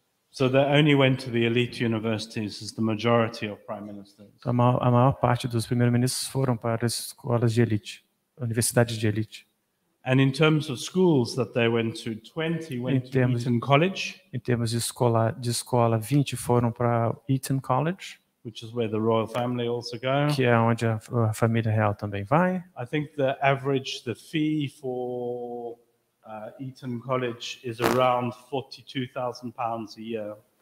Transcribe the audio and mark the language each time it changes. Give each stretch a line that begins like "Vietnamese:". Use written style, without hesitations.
English: So they only went to the elite universities as the majority of prime ministers.
Portuguese: Então, a maior parte dos primeiros-ministros foram para as escolas de elite, universidades de elite.
English: And in terms of schools that they went to, 20 went to Eton College.
Portuguese: Em termos de escola, 20 foram para Eton College,
English: which is where the royal family also go.
Portuguese: Que é onde a família real também vai.
English: I think the fee for Eton College is around £42,000 a year.